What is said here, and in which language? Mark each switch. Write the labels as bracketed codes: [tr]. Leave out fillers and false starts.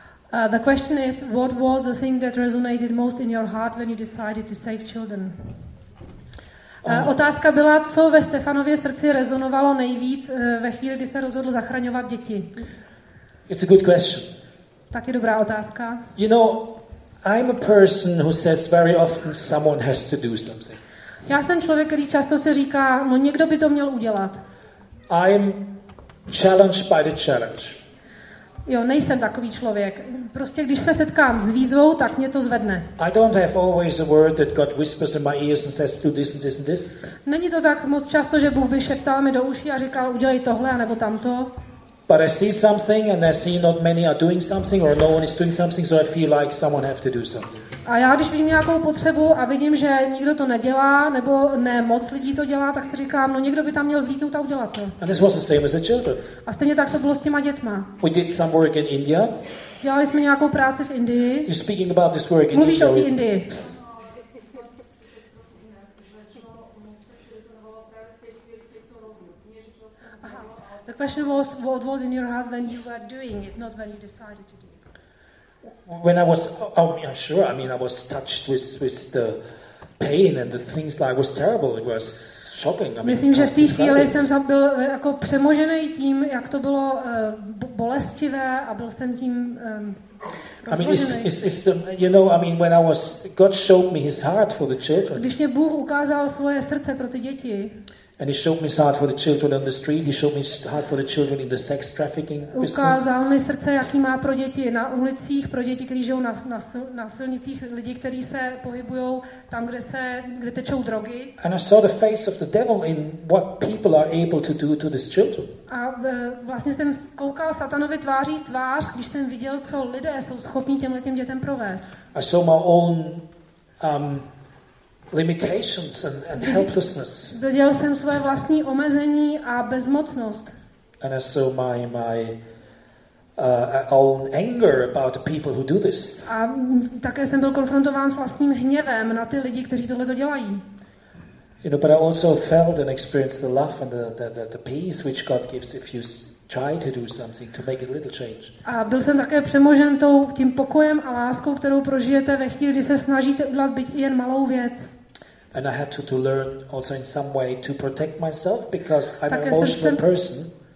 [en] The question is, what was the thing that resonated most in your heart when you decided to save children? [cs] Otázka byla, co ve Stefanově srdci rezonovalo nejvíc ve chvíli, kdy se rozhodl zachraňovat děti. [en] It's a good question. [cs] Taky dobrá otázka. [en] You know, I'm a person who says very often someone has to do something. [cs] Já jsem člověk, který často se říká, no někdo by to měl udělat. [en] I'm challenged by the challenge. [cs] Jo, nejsem takový člověk. Prostě když se setkám s výzvou, tak mě to zvedne. [en] I don't have always a word that God whispers in my ears and says do this and this and this. [cs] Není to tak moc často, že Bůh vyšeptal mi do uší a říkal udělej tohle a nebo tamto. [en] But I see something and I see not many are doing something or no one is doing something, so I feel like someone have to do something. [cs] A já když vidím nějakou potřebu a vidím, že nikdo to nedělá nebo ne moc lidí to dělá, tak si říkám, no někdo by tam měl vlítnout a udělat to. [en] And this was the same as the children. [cs] A stejně tak to bylo s těma dětma. [en] We did some work in India. [cs] Dělali jsme nějakou práci v Indii. [en] You're speaking about this work in India. [cs] Mluvíš o té Indii. [en] The question was, what was in your heart when you were doing it, not when you decided to do it? When I was, I was touched with the pain and the things that was terrible, it was shocking. [cs] Myslím, že v té chvíli jsem byl jako přemožený tím, jak to bylo bolestivé a byl jsem tím rozložený. [en] I mean, when I was, God showed me his heart for the children. [cs] Když mě Bůh ukázal svoje srdce pro ty děti, [en] and he showed me his heart for the children on the street. He showed me his heart for the children in the sex trafficking business. [cs] Ukázal mi srdce, jaký má pro děti na ulicích, pro děti, kteří žijou na silnicích, lidi, kteří se pohybují tam, kde tečou drogy. [en] And I saw the face of the devil in what people are able to do to these children. [cs] A vlastně jsem koukal Satanovi tváří v tvář, když jsem viděl, co lidé jsou schopni těmhletím dětem provést. [en] I saw my own limitations and helplessness. [cs] Viděl jsem svoje vlastní omezení a bezmocnost. [en] And I saw my own anger about the people who do this. [cs] A také jsem byl konfrontován s vlastním hněvem na ty lidi, kteří tohle to dělají. [en] You know, but I also felt and experienced the love and the peace which God gives if you try to do something to make a little change. [cs] A byl jsem také přemožen tím pokojem a láskou, kterou prožijete ve chvíli, kdy se snažíte udělat byť i jen malou věc. [en] And I had to learn also in some way to protect myself because I'm an emotional person.